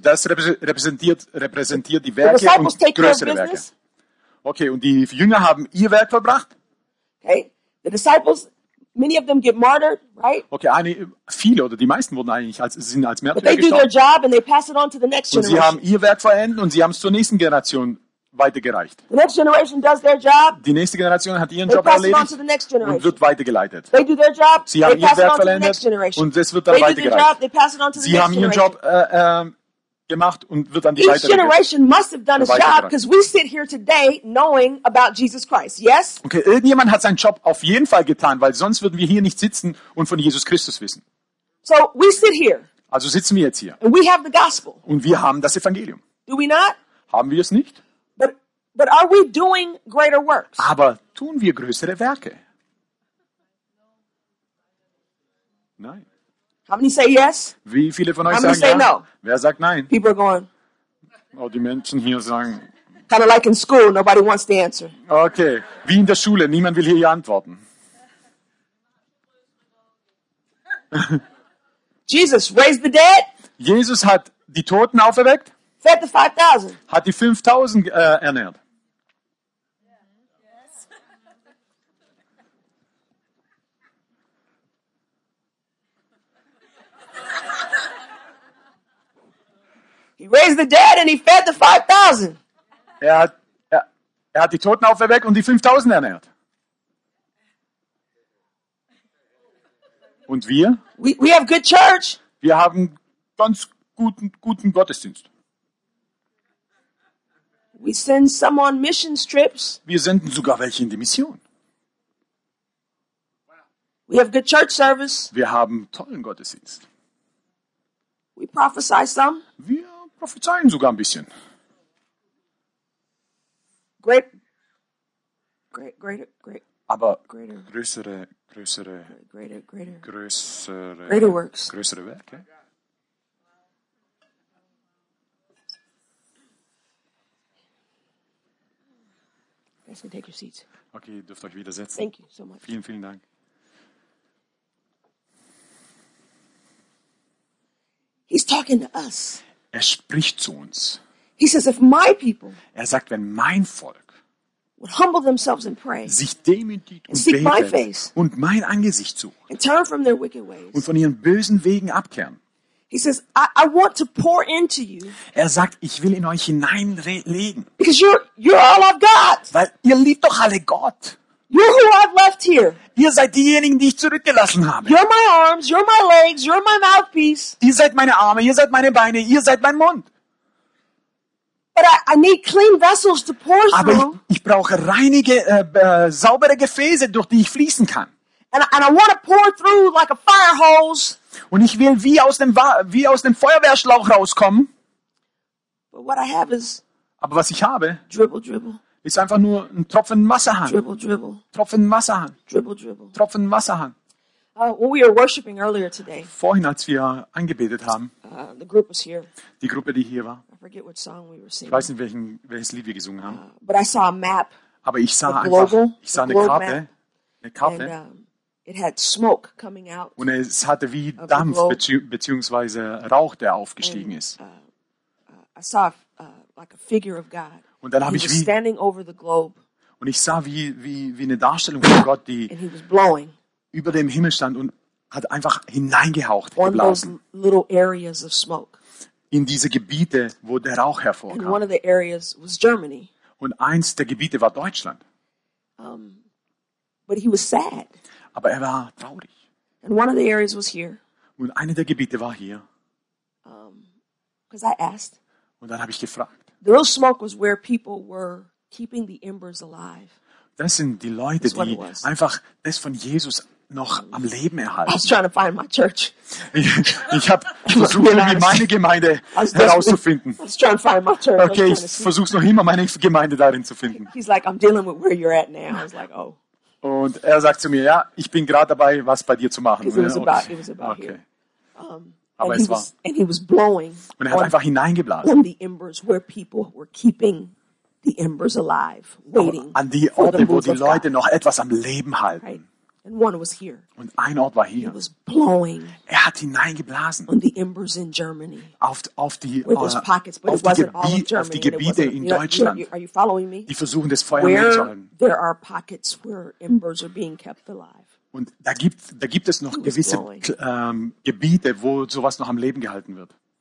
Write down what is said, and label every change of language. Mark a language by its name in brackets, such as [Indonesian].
[German] Das repräsentiert die Werke und größere Werke. Okay, und die Jünger haben ihr Werk verbracht. [English] Okay, the disciples, many of them get martyred, right? [German] Okay, viele oder die meisten wurden eigentlich sind als Märtyrer [English] But they do their job and they pass it on to the next generation. [German] Und sie haben ihr Werk vollendet und sie haben es zur nächsten Generation weitergereicht. [English] The next generation does their job. [German] Die nächste Generation hat ihren [English] they [German] Job erledigt [English] the next [German] und wird weitergeleitet. [English] They do their job, [German] sie haben [English] they [German] ihr Werk vollendet und es wird dann [English] they [German] weitergereicht. [English] Job, they pass it on to [German] sie [English] the [German] haben [English] next [German] ihren Job gemacht und wird dann die [English] each generation must have done his job because we sit here today knowing about Jesus Christ. Yes? [German] Okay, irgendjemand hat seinen Job auf jeden Fall getan, weil sonst würden wir hier nicht sitzen und von Jesus Christus wissen. [English] So we sit here. [German] Also sitzen wir jetzt hier. [English] And we have the gospel. [German] Und wir haben das Evangelium. [English] Do we not? [German] Haben wir es nicht? [English] But are we doing greater works? [German] Aber tun wir größere Werke? Nein. [English] How many say yes? [German] Wie viele von euch [English] How many [German] sagen [English] say [German] ja? [English] No? [German] Wer sagt nein? [English] People are going. [German] Oh, die Menschen hier sagen. [English] Kind of like in school, nobody wants the answer. [German] Okay, wie in der Schule, niemand will hier antworten. [English] Jesus raised the dead. [German] Jesus hat die Toten auferweckt. [English] Fed the 5,000. [German] Hat die 5,000 ernährt. [English] He raised the dead and he fed the 5,000. [German] Er hat die Toten auferweckt und die 5,000 ernährt. Und wir? [English] We have good church. [German] Wir haben ganz guten Gottesdienst. [English] We send some on mission trips. [German] Wir senden sogar welche in die Mission. [English] We have good church service. [German] Wir haben tollen Gottesdienst. [English] We prophesy some. [German] Wir prophezeien sogar ein bisschen. [English] Greater [German] Werke. [English] Guys, can take your seats. [German] Okay, dürft euch wieder setzen. [English] Thank you so much. [German] Vielen Dank. [English] He's talking to us. [German] Er spricht zu uns. [English] He says, if my people. [German] Er sagt, wenn mein Volk [English] would humble themselves and pray, [German] sich demütigt und [English] seek my face, [German] und mein Angesicht sucht [English] and turn from their wicked ways, [German] und von ihren bösen Wegen abkehren. [English] He says, I want to pour into you, [German] er sagt, ich will in euch hineinlegen. [English] Because you're all I've got. [German] Weil ihr liebt doch alle Gott. [English] You're who I've left here. [German] Ihr seid diejenigen, die ich zurückgelassen habe. [English] You're my arms, you're my legs, you're my mouthpiece. [German] Ihr seid meine Arme, ihr seid meine Beine, ihr seid mein Mund. [English] But I need clean vessels to pour through. [German] Aber ich brauche reinige, saubere Gefäße, durch die ich fließen kann. [English] And I want to pour through like a fire hose. [German] Und ich will wie aus dem Feuerwehrschlauch rauskommen. [English] But what I have is. [German] Aber was ich habe. [English] Dribble, dribble. [German] Ist einfach nur ein Tropfen Wasserhahn. [English] Dribble, dribble. [German] Tropfen Wasserhahn. [English] Dribble, dribble. [German] Tropfen Wasserhahn. [English] When we were worshiping earlier today. [German] Vorhin, als wir angebetet haben. [English] The group was here. [German] Die Gruppe, die hier war. [English] I forget what song we were singing. [German] Ich weiß nicht, welches Lied wir gesungen haben. [English] But I saw a map. [German] Aber ich sah eine Karte. [English] And, it had smoke coming out. [German] Und es hatte wie Dampf beziehungsweise Rauch, der aufgestiegen ist. [English] I saw like a figure of God. [German] Und dann habe ich wie [English] standing over the globe. [German] Und ich sah wie eine Darstellung von Gott, die [English] and he was blowing. [German] Über dem Himmel stand und hat einfach hineingehaucht, geblasen. [English] One of those little areas of smoke. [German] In diese Gebiete, wo der Rauch hervorkam. [English] One of the areas was Germany. [German] Und eins der Gebiete war Deutschland. [English] But he was sad. [German] Aber er war traurig. [English] And one of the areas was here. [German] Und eine der Gebiete war hier. [English] I asked. [German] Und dann habe ich gefragt. [English] The little smoke was where people were keeping the embers alive. [German] Das sind die Leute, die einfach das von Jesus noch am Leben erhalten. [English] I was trying to find my church. [German] Ich habe versucht, meine Gemeinde herauszufinden. [English] I was trying to find my church. [German] Okay, ich versuche es noch immer, meine Gemeinde darin zu finden. [English] He's like, I'm dealing with where you're at now. I was like, oh. [German] Und er sagt zu mir, ja, ich bin gerade dabei, was bei dir zu machen. [English] It was about, okay. [German] Aber es war. [English] And he was blowing. [German] Und er hat einfach hineingeblasen. [English] On the embers where people were keeping the embers alive, waiting. [German] An die Orte, wo die Leute noch etwas am Leben halten. [English] Right. And one was here. [German] Und ein Ort war hier. [English] He was blowing. [German] Er hat hineingeblasen. [English] On the embers in Germany. [German] Auf die Gebiete in Deutschland. [English] Are you following me? [German] Die versuchen das Feuer mitzuhalten. [English] There are pockets where embers are being kept alive. [German] Und da gibt es noch gewisse Gebiete, wo sowas noch am Leben gehalten wird.